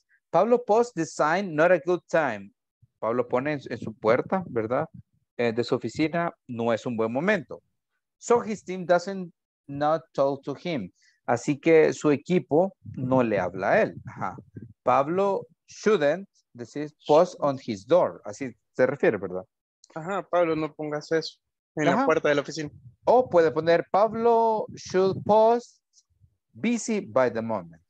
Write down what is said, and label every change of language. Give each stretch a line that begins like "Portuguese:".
English: Pablo posts the sign, not a good time.
Spanish: Pablo pone en su puerta, ¿verdad? De su oficina, no es un buen momento.
English: So his team doesn't not talk to him.
Spanish: Así que su equipo no le habla a él.
English: Ajá. Pablo shouldn't, decir, post on his door.
Spanish: Así se refiere, ¿verdad? Ajá, Pablo, no pongas eso en la puerta de la oficina. O puede poner,
English: Pablo should post. Busy by the moment.